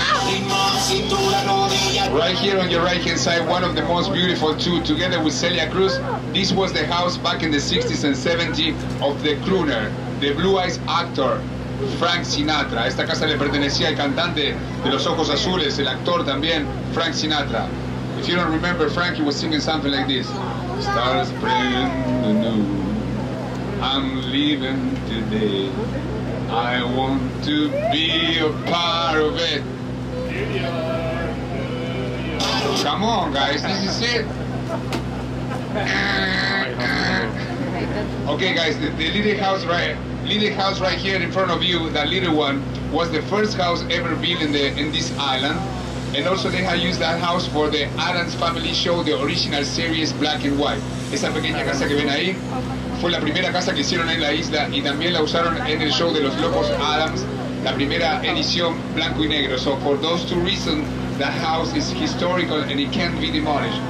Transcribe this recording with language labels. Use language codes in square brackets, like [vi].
[en] Right here on your right hand side, one of the most beautiful two, together with Celia Cruz. This was the house back in the 60s and 70s of the crooner, the blue eyes actor, Frank Sinatra. [es] Esta casa le pertenecía al cantante de los ojos azules, el actor también, Frank Sinatra. [en] If you don't remember, Frank, he was singing something like this. Stars praying the new, I'm leaving today. I want to be a part of it. Come on, guys, this is it. Okay, guys, the little house right here in front of you, that little one, was the first house ever built in this island. And also they have used that house for the Addams Family Show, the original series Black and White. [es] Esa pequeña casa que ven ahí fue la primera casa que hicieron en la isla y también la usaron en el show de los locos Addams, la primera edición blanco y negro. [en] So for those two reasons, that house is historical and it can't be demolished.